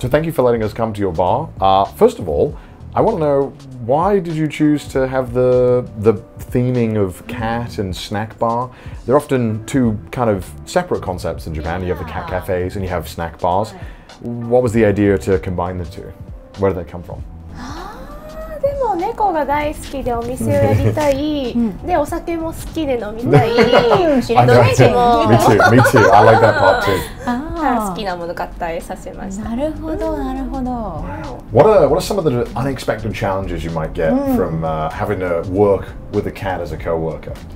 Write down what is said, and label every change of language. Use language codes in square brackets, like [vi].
[en] So thank you for letting us come to your bar. First of all, I want to know, why did you choose to have the theming of cat and snack bar? They're often two kind of separate concepts in Japan. Yeah. You have the cat cafes and you have snack bars. Right. What was the idea to combine the two? Where did that come from? But [ja] 猫が大好きでお店をやりたい、でお酒も好きで飲みたい。知りたいも。 [en] Me too. Me too. I like that part too. [ja] 好きなもの合体させました。なるほど、なるほど。 [en] What are some of the unexpected challenges you might get from having to work with a cat as a coworker?